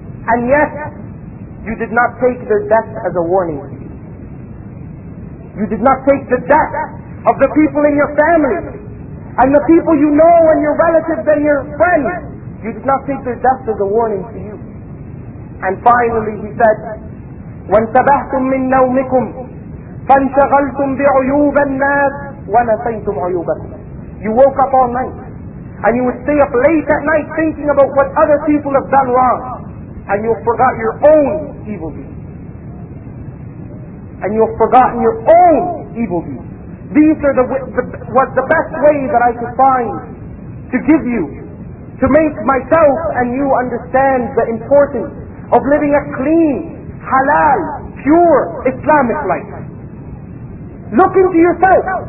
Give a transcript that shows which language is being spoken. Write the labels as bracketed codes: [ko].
[en] And yet, you did not take their death as a warning. You did not take the death of the people in your family, and the people you know, and your relatives and your friends. You did not take their death as a warning to you. And finally he said, [ar] وَانْتَبَهْتُمْ مِنْ نَوْمِكُمْ فَانْشَغَلْتُمْ بِعُيُوبَ النَّاسِ وَنَسَيْتُمْ عُيُوبَكُمْ. [en] You woke up all night, and you would stay up late at night thinking about what other people have done wrong, and you forgot your own evil deeds. And you have forgotten your own evil deeds. These are what the best way that I could find to give you, to make myself and you understand the importance of living a clean, halal, pure Islamic life. Look into yourself.